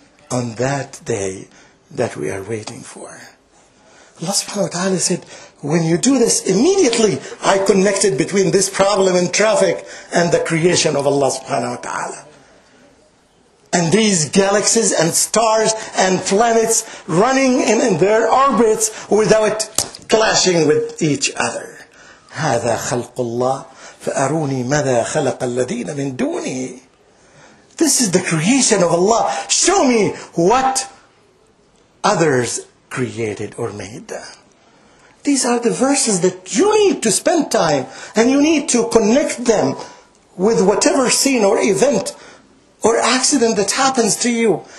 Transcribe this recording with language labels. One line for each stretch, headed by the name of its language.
English: On that day that we are waiting for. Allah subhanahu wa ta'ala said, when you do this, immediately I connected between this problem in traffic and the creation of Allah subhanahu wa ta'ala. And these galaxies and stars and planets running in their orbits without clashing with each other.
Arabic: هذا خلق الله فأروني ماذا خلق الذين من دونه.
English: This is the creation of Allah. Show me what others created or made. These are the verses that you need to spend time and you need to connect them with whatever scene or event or accident that happens to you.